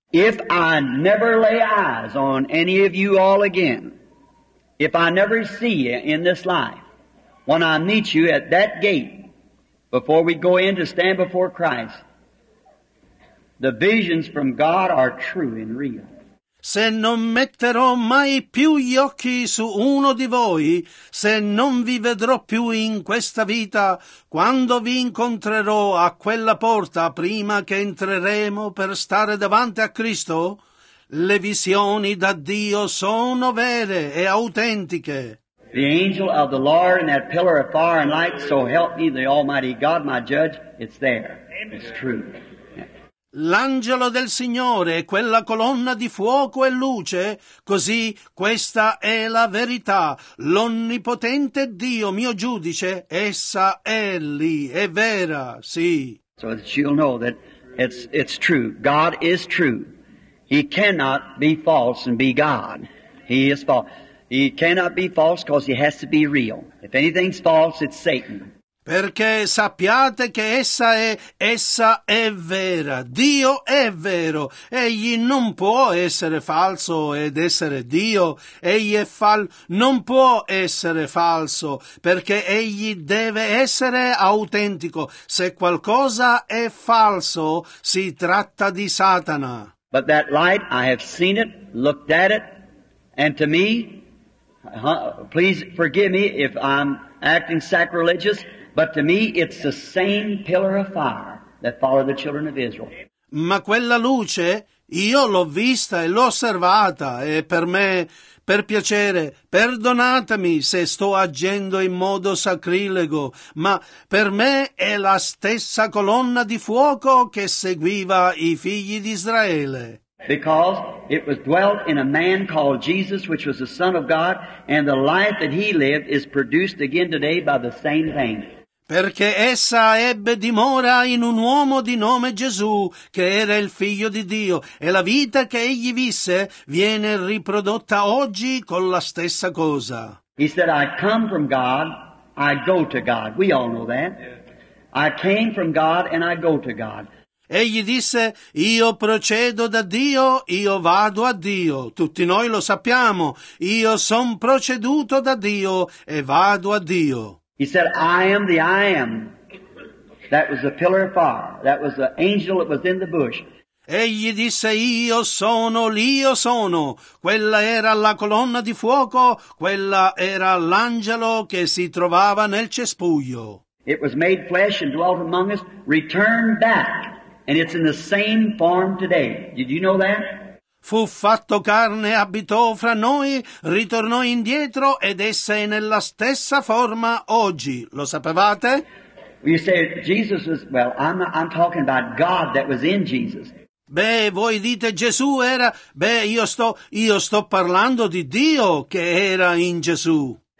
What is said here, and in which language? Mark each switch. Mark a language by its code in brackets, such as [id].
[en] If I never lay eyes on any of you all again, if I never see you in this life, when I meet you at that gate, before we go in to stand before Christ, the visions from God are true and real. [it] Se non metterò mai più gli occhi su uno di voi, se non vi vedrò più in questa vita, quando vi incontrerò a quella porta prima che entreremo per stare davanti a Cristo, le visioni da Dio sono vere e autentiche. [en] The angel of the Lord and that pillar of fire and light, so help me, the Almighty God, my judge, it's there. It's true. [it] L'angelo del Signore, quella colonna di fuoco e luce, così questa è la verità. L'onnipotente Dio, mio giudice, essa è lì, è vera, sì. [en] So that you'll know that it's true. God is true. He cannot be false and be God. He is false. He cannot be false because he has to be real. If anything's false, it's Satan. [it] Perché sappiate che essa è vera. Dio è vero. Egli non può essere falso ed essere Dio. Non può essere falso, perché egli deve essere autentico. Se qualcosa è falso, si tratta di Satana. [en] But that light, I have seen it, looked at it, and to me, please forgive me if I'm acting sacrilegious, but to me it's the same pillar of fire that followed the children of Israel. [it] Ma quella luce, io l'ho vista e l'ho osservata, e per me, per piacere, perdonatemi se sto agendo in modo sacrilego, ma per me è la stessa colonna di fuoco che seguiva i figli di Israele. [en] Because it was dwelt in a man called Jesus, which was the Son of God, and the life that he lived is produced again today by the same thing. [it] Perché essa ebbe dimora in un uomo di nome Gesù, che era il figlio di Dio, e la vita che egli visse viene riprodotta oggi con la stessa cosa. [en] He said, I come from God, I go to God. We all know that. I came from God and I go to God. [it] Egli disse, io procedo da Dio, io vado a Dio. Tutti noi lo sappiamo. Io son proceduto da Dio e vado a Dio. [en] He said, I am the I am. That was the pillar of fire. That was the angel that was in the bush. [it] Egli disse, io sono l'io sono. Quella era la colonna di fuoco, quella era l'angelo che si trovava nel cespuglio. [en] It was made flesh and dwelt among us. Return back. And it's in the same form today. Did you know that? [it] Fu fatto carne, abitò fra noi, ritornò indietro ed essa è nella stessa forma oggi. Lo sapevate? [en] You say Jesus was, well, I'm talking about God that was in Jesus. [it] Beh, voi dite Gesù era, io sto parlando di Dio che era in Gesù.